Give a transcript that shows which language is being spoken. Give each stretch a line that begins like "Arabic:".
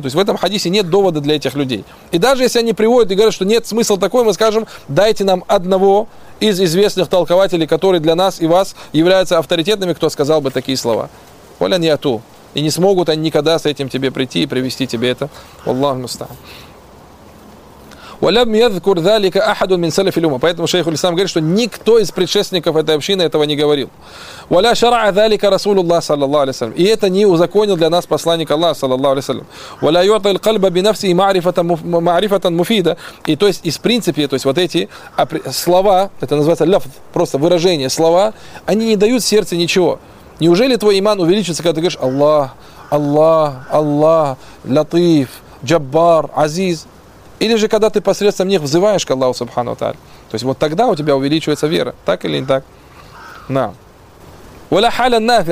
Russian: То есть в этом хадисе нет довода для этих людей. И даже если они приводят и говорят, что нет смысла такой, мы скажем, дайте нам одного из известных толкователей, который для нас и вас является авторитетными, кто сказал бы такие слова. Оля не ату. И не смогут они никогда с этим тебе прийти и привести тебе это. Аллах мустаан.
Arabic: ولم يذكر ذلك أحد من سلف الأمة.
Russian: Поэтому шейх аль-Ислам говорит, что никто из предшественников этой общины этого не говорил.
Arabic: ولا شرع ذلك رسول الله صلى الله عليه وسلم.
Russian: И это не узаконил для нас посланник Аллаха
Arabic: صلى الله عليه وسلم. ولا يعطي القلب بنفسه معرفة مفيدة.
Russian: И то есть из принципа, то есть вот эти слова, это называется лафз, просто выражение, слова, они не дают сердцу ничего. Неужели твой иман увеличится, когда ты говоришь Аллах, Аллах, Аллах, Латиф, Джаббар, Азиз? Или же когда ты посредством них взываешь к Аллаху Субхану Тааля? То есть вот тогда у тебя увеличивается вера, так или не так? На.
Arabic: Валя халя нафи.